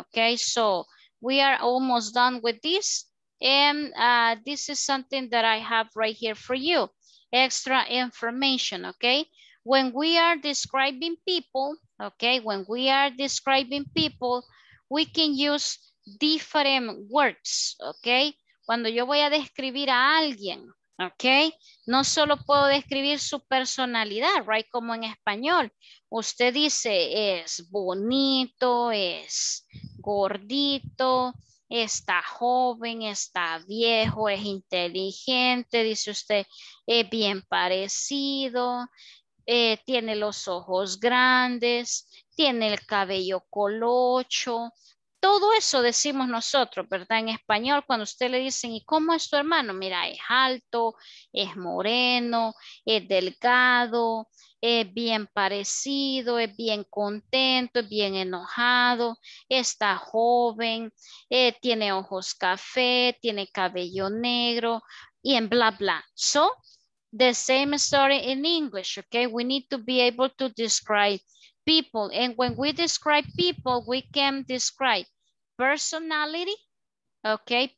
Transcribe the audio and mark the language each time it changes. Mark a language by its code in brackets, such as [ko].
[en] Okay, so we are almost done with this. And this is something that I have right here for you. Extra information. Okay, when we are describing people, okay, when we are describing people, we can use different words. [es] Okay, cuando yo voy a describir a alguien, okay, no solo puedo describir su personalidad, right? Como en español, usted dice es bonito, es gordito, está joven, está viejo, es inteligente, dice usted, es bien parecido, tiene los ojos grandes, tiene el cabello colocho. Todo eso decimos nosotros, ¿verdad? En español, cuando usted le dicen, ¿y cómo es tu hermano? Mira, es alto, es moreno, es delgado, es bien parecido, es bien contento, es bien enojado, está joven, tiene ojos café, tiene cabello negro, y en bla bla. [en] So, the same story in English, okay? We need to be able to describe people. And when we describe people, we can describe personality, okay?